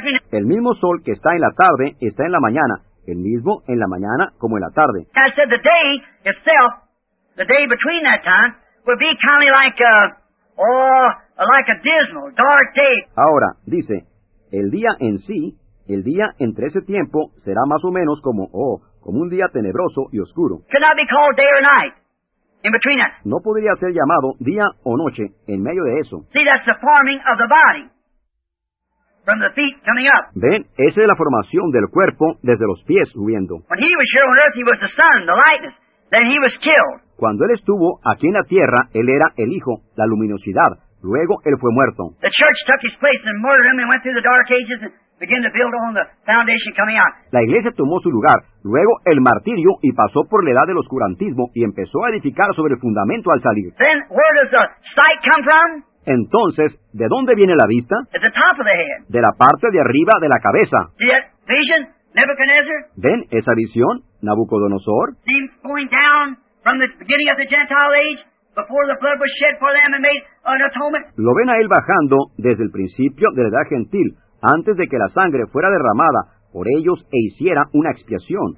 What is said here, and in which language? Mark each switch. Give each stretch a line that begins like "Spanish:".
Spanish: El mismo sol que está en la tarde está en la mañana. El mismo en la mañana como en la tarde.
English: I said the day itself, the day between that time, would be kind of like a... like a dismal, dark day.
Spanish: Ahora, dice, el día en sí, el día entre ese tiempo, será más o menos como un día tenebroso y oscuro.
English: Could not be called day or night in between us.
Spanish: No podría ser llamado día o noche en medio de eso.
English: See, that's the forming of the body from the feet coming up.
Spanish: Ven, esa es la formación del cuerpo desde los pies subiendo.
English: When he was here on earth, he was the sun, the lightness. Then he was killed.
Spanish: Cuando él estuvo aquí en la tierra, él era el Hijo, la luminosidad. Luego él fue muerto.
English: The church took his place and murdered him and went through the dark ages and began to build on the foundation coming out.
Spanish: La iglesia tomó su lugar, luego el martirio y pasó por la edad del oscurantismo y empezó a edificar sobre el fundamento al salir.
English: Then where does the sight come from?
Spanish: Entonces, ¿de dónde viene la vista?
English: At the top of the head.
Spanish: De la parte de arriba de la cabeza.
English: See that vision? Nebuchadnezzar?
Spanish: ¿Ven esa visión? Nabucodonosor.
English: Seems going down from the beginning of the Gentile age. Before the blood was shed for them and made an atonement.
Spanish: Lo ven a él bajando desde el principio de la edad gentil, antes de que la sangre fuera derramada por ellos e hiciera una expiación.